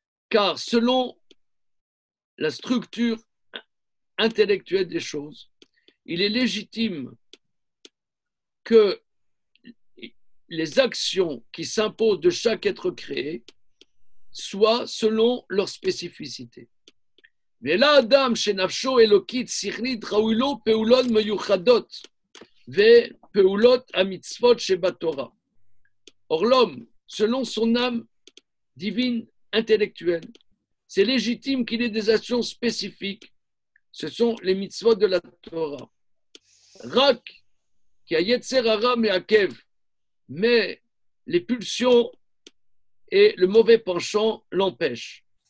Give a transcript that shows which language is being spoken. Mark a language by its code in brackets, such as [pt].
[fr] Car selon la structure intellectuelle des choses, il est légitime que les actions qui s'imposent de chaque être créé soient selon leur spécificité. [he] ולא אדם שנפשו אלוקית שכנית ראוי לו פעולות מיוחדות ופעולות המצוות שבתורה. [fr] Or l'homme, selon son âme divine intellectuelle, c'est légitime qu'il ait des actions spécifiques. Ce sont les mitzvot de la Torah. [he] Rak, [fr] qui a [he] Yetzer Hara Me'akev, [fr] mais les pulsions et le mauvais penchant l'empêchent.